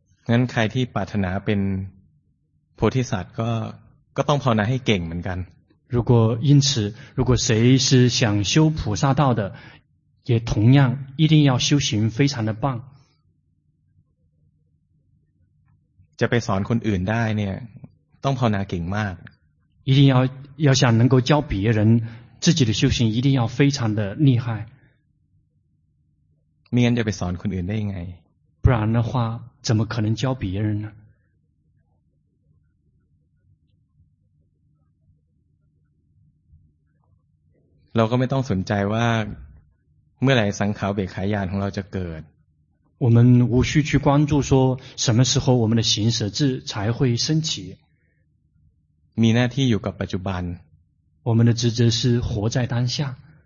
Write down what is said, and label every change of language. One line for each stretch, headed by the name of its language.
Thai: งั้นใครที่ปรารถนาเป็นโพธิสัตว์ก็ต้องภาวนาให้เก่งเหมือนกัน
Chinese: 如果因此如果谁是想修菩萨道的也同样一定要修行非常的棒
Thai: จะไปสอนคนอื่นได้เนี่ยต้องภาวนาเก่งมาก
Chinese: 一定要想能够教别人自己的修行一定要非常的厉害
Thai: ไม่งั้นจะไปสอนคนอื่นได้ยังไง
Chinese: 不然的话怎么可能教别人呢
Thai: เราก็ไม่ต้องสนใจว่าเมื่อไหร่สังขารเบขายานของเราจะเกิด
Chinese: 我们无需去关注说什么时候我们的行舍智才会升起
Thai: มีหน้าที่อยู่กับปัจจุบัน
Chinese: 我们的职责是活在当下